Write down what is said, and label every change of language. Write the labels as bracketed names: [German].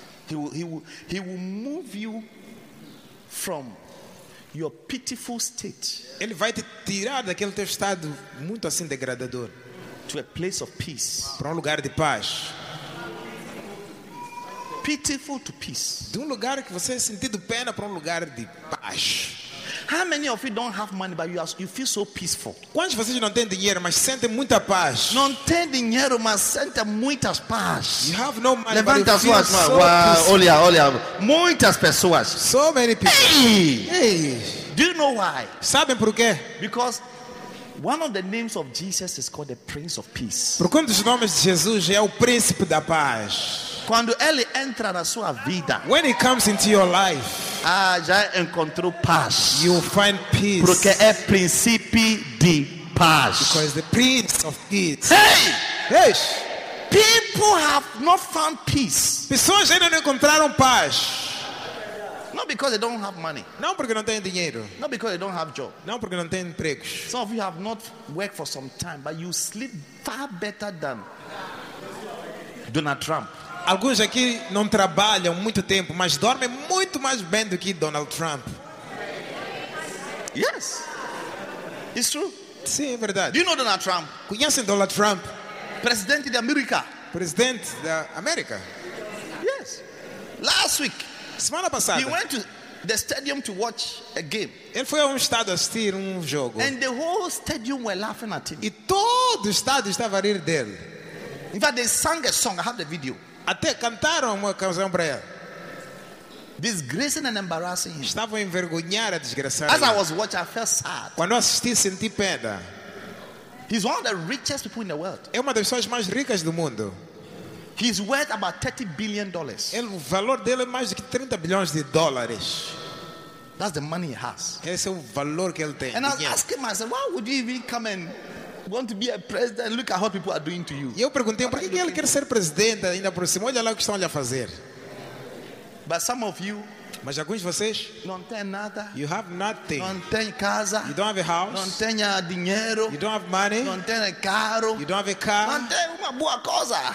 [English] He will move you from your pitiful state. [Portuguese] Ele vai te tirar daquele teu estado muito assim degradador. [English] To a place of peace. [Portuguese] Para lugar de paz. [English] Pitiful to peace. [Portuguese] De lugar que você sentiu pena para lugar de paz. [English] How many of you don't have money but you feel so peaceful? [Portuguese] Quantos de vocês não têm dinheiro, mas sentem muita paz? Não tem dinheiro, mas sentem muitas paz. [English] You have no money. [Portuguese] Levanta [English] but you feel [Portuguese] suas, [English] so peaceful. [Portuguese] Olha, muitas pessoas. [English] So many people. Hey. Do you know why? [Portuguese] Sabem por quê? [English] Because one of the names of Jesus is called the Prince of Peace. [Portuguese] Porque um dos nomes de Jesus é o Príncipe da Paz. Quando ele entra na sua vida, [English] when he comes into your life, [Portuguese] já encontrou paz. [English] You will find peace. [Portuguese] Porque é Príncipe de Paz. [English] Because the Prince of Peace. Hey! People have not found peace. [Portuguese] Pessoas ainda não encontraram paz. [English] Not because they don't have money. [Portuguese] Não porque não têm dinheiro. [English] Not because they don't have job. [Portuguese] Não porque não têm emprego. [English] Some of you have not worked for some time, but you sleep far better than Donald Trump. [Portuguese] Alguns aqui não trabalham muito tempo, mas dormem muito mais bem do que Donald Trump. [English] Yes. It's true. [Portuguese] Sim, é verdade. [English] Do you know Donald Trump? [Portuguese] Conhecem Donald Trump? Presidente da América. Presidente da América. [English] Yes. Last week. [Portuguese] Semana passada. [English] He went to the stadium to watch a game. [Portuguese] Ele foi a estádio assistir jogo. [English] And the whole stadium were laughing at him. [Portuguese] E todo o estádio estava a rir dele. [English] In fact, they sang a song. I have the video. [Portuguese] Até cantaram uma canção para ele. [English] Disgracing and embarrassing. [Portuguese] Estavam envergonhados, desgraçados. [English] As I was watching, I felt sad. [Portuguese] Quando assisti, senti pena. [English] He's one of the richest people in the world. [Portuguese] É uma das pessoas mais ricas do mundo. [English] He's worth about $30 billion. [Portuguese] Ele, o valor dele é mais de 30 bilhões de dólares. [English] That's the money he has. [Portuguese] Esse é o valor que ele tem. [English] And I was asking myself, why would you even come and want to be a president? Look at what people are doing to you. [Portuguese] E eu perguntei, por que ele quer ser presidente ainda por cima? Olha lá o que estão a fazer. [English] But some of you, [Portuguese] Mas alguns de vocês não tem nada. [English] You have nothing. [Portuguese] Não tem casa. [English] You don't have a house. [Portuguese] Não tem dinheiro. [English] You don't have money. [Portuguese] Não tem carro. [English] You don't have a car. [Portuguese] Não tem uma boa coisa.